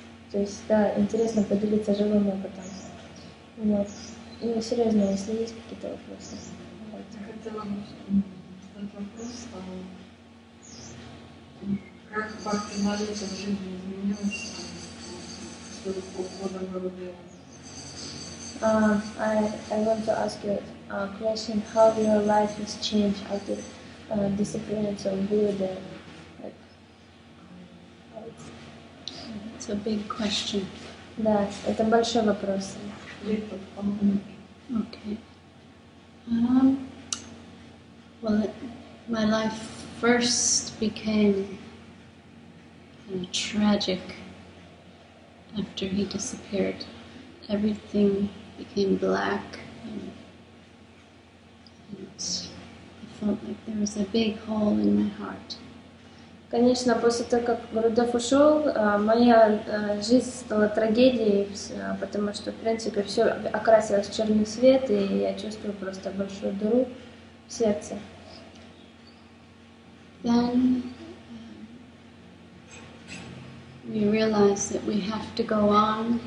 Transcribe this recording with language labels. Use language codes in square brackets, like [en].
[ru] То есть, да, интересно поделиться живым опытом. Вот. И серьезно, если есть какие-то вопросы. Я хотела бы задать вопрос, как факты молитвы в жизни изменились с уходом Гурудева? [en] I want to ask you a question, how your life has changed after disappearance of Gurudev? It's a big question. [ru] Да, это большой вопрос. [en] Okay. Well, my life first became tragic after he disappeared. everything became black, and I felt like there was a big hole in my heart. [ru] Конечно, после того, как Рудольф ушел, моя жизнь стала трагедией, потому что, в принципе, все окрасилось в черный свет, и я чувствую просто большую дыру в сердце. [en] Then we realized that we have to go on.